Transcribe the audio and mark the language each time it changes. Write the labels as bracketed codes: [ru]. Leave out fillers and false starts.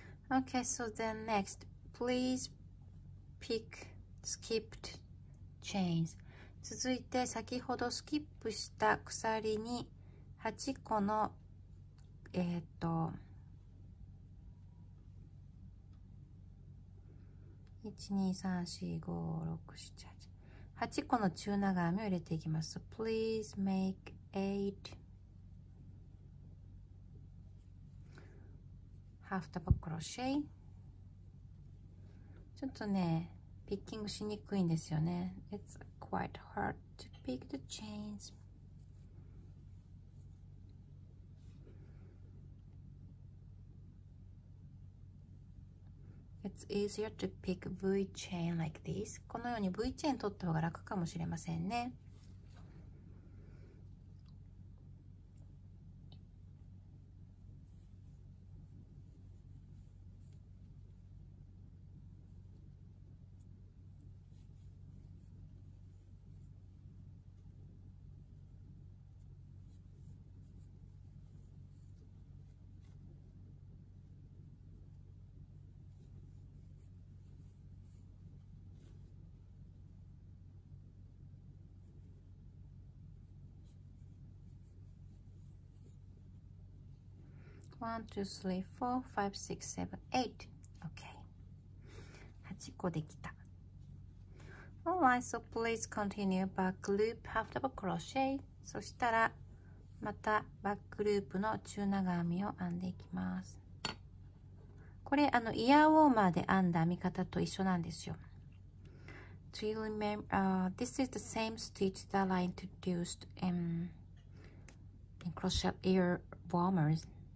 [en] OK, so then next, please pick skipped chains. [ja] 続いて先ほどスキップした鎖に8個の1,2,3,4,5,6,7,8 個の中長編みを入れていきます。 [en] Please make 8 half double crochet。 [ja] ちょっとねピッキングしにくいんですよね。 [en] It's quite hard to pick the chains. It's easier to pick V chain like this. [ja] このように V チェーン取った方が楽かもしれませんね。 [en] 1, 2, 3, 4, 5, 6, 7, 8. Okay. [ja] 8個できた。 [en] Alright, so please continue back loop half double crochet. [ja] そしたらまたバックループの中長編みを編んでいきます。これイヤーウォーマーで編んだ編み方と一緒なんですよ。 [en] Do you remember, this is the same stitch that I introduced in crochet ear warmers.